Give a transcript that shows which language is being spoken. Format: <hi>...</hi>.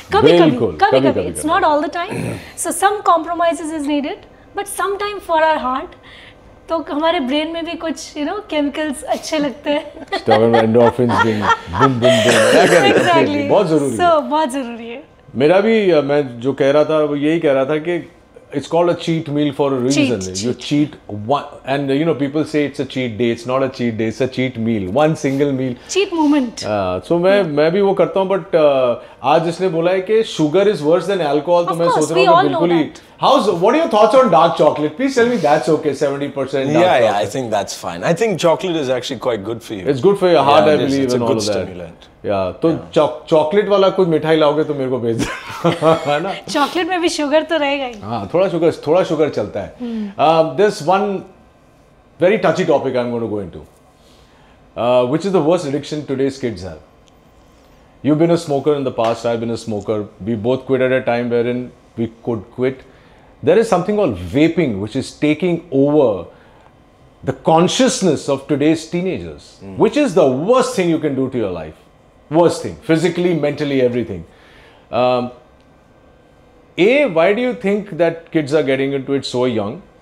<en>कभी कभी, it's not all the time, so some compromises is needed, but some time for our heart,</en> <hi>तो हमारे brain में भी कुछ</hi> <en>you know chemicals</en> <hi>अच्छे लगते हैं.</hi> <en>Endorphins being boom boom boom, exactly.</en> <hi>बहुत जरूरी है. सो बहुत जरूरी है. मेरा भी, मैं जो कह रहा था वो यही कह रहा था कि</hi> <en>it's called a cheat meal for a reason. Cheat, you cheat one, and you know people say it's a cheat day, it's not a cheat day, it's a cheat meal, one single meal, cheat moment.</en> <hi>So main bhi wo karta hu, but aaj isne bola hai ki</hi> <en>sugar is worse than alcohol,</en> <hi>to main soch raha hu bilkul hi.</hi> <en>How's, what are your thoughts on dark chocolate? Please tell me that's okay. 70% dark chocolate. Yeah, I think that's fine. I think chocolate is actually quite good for you. It's good for your heart, yeah, I believe, and all of It's a good stimulant.</en> <hi>Yeah, तो chocolate वाला कुछ मिठाई लाओगे तो मेरे को भेज दो, है ना? चॉकलेट में भी शुगर तो रहेगा ही. हाँ, थोड़ा शुगर चलता है.</hi> <en>This one very touchy topic I am going to go into, which is the worst addiction today's kids have. You been a smoker in the past, I been a smoker, we both quit at a time where in we could quit, there is something called vaping, which is taking over the consciousness of today's teenagers, which is the worst thing you can do to your life. Worst thing, physically, mentally, everything. A, why do you think that kids are getting into it so young?</en>